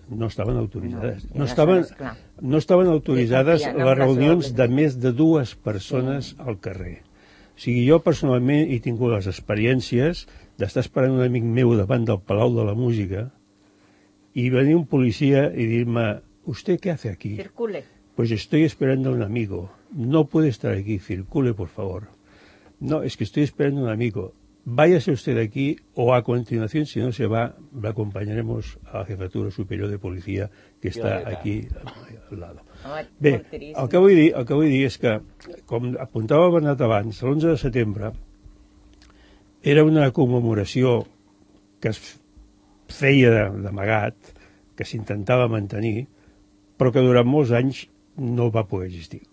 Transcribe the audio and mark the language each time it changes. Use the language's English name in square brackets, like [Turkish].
[Catalan] No estaven autoritzades. No estaven autoritzades les reunions de més de dues persones al carrer. O sigui, jo personalment he tingut les experiències d'estar esperant un amic meu davant del Palau de la Música i venir un policia i dir-me, ¿usted qué hace aquí? [Spanish] Circule. Pues estoy esperando un amigo. No puede estar aquí. Circule, por favor. No, es que estoy esperando un amigo. Váyase usted de aquí o a continuación, si no se va, le acompañaremos a la Jefatura Superior de Policía que está aquí al lado. [Catalan] Bé, el que vull dir és que, com apuntava el Bernat abans, l'11 de setembre era una commemoració que es feia d'amagat, que s'intentava mantenir, però que durant molts anys no va poder existir.